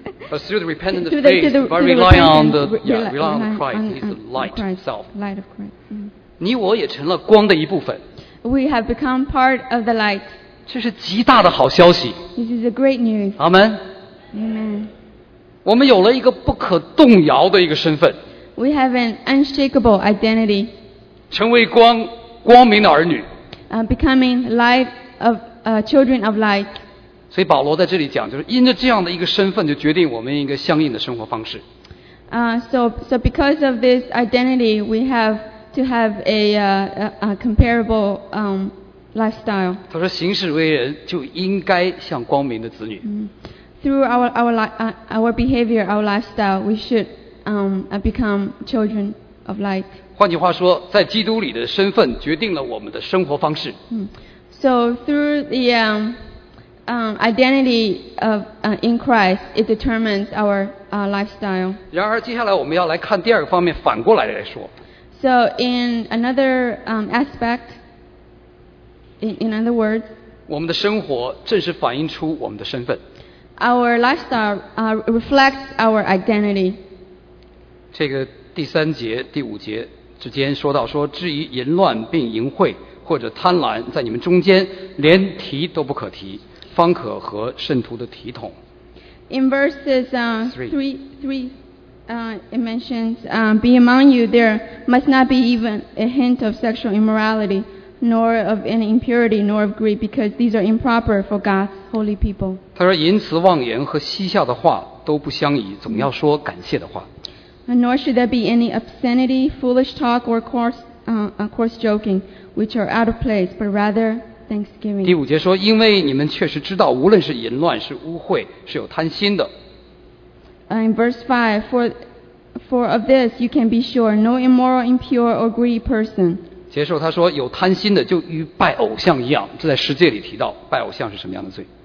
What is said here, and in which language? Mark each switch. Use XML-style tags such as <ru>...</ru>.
<en>But through the repentance of faith, by relying on the Christ, He's the light itself. Light of Christ.</en> <zh>你我也成了光的一部分。</zh> <en>We have become part of the light.</en> <zh>这是极大的好消息。</zh> <en>This is a great news. Amen. Amen.</en> <zh>我们有了一个不可动摇的一个身份。</zh> <en>We have an unshakable identity.</en> <zh>成为光，光明的儿女。</zh> <en>Becoming light of children of light.</en> <zh>所以保罗在这里讲，就是因着这样的一个身份，就决定我们一个相应的生活方式。</zh> <en>So because of this identity, we have to have a comparable lifestyle.</en> <zh>他说，行事为人就应该像光明的子女。</zh> <en>Through our behavior, our lifestyle, we should become children of light.</en> <zh>换句话说，在基督里的身份决定了我们的生活方式。</zh> <en>So through the identity of in Christ, it determines our lifestyle.</en> <zh>然而，接下来我们要来看第二个方面，反过来来说。</zh> <en>So in another aspect, in other words,</en> <zh>我们的生活正是反映出我们的身份。</zh> <en>Our lifestyle reflects our identity.</en> <zh>这个第三节、第五节之间说到说，至于淫乱并淫秽或者贪婪，在你们中间连提都不可提。方可和圣徒的体统。</zh> <en>In verses it mentions, be among you there must not be even a hint of sexual immorality, nor of any impurity, nor of greed, because these are improper for God's holy people.</en> <zh>他说淫词妄言和嬉笑的话都不相宜，总要说感谢的话。</zh> <en>Nor should there be any obscenity, foolish talk, or coarse joking, which are out of place, but rather Thanksgiving.</en> <zh>第五节说，因为你们确实知道，无论是淫乱，是污秽，是有贪心的。</zh> <en>In verse 5, for of this you can be sure, no immoral, impure, or greedy person.</en> <zh>接受他说，有贪心的就与拜偶像一样，这在十诫里提到，拜偶像是什么样的罪？</zh>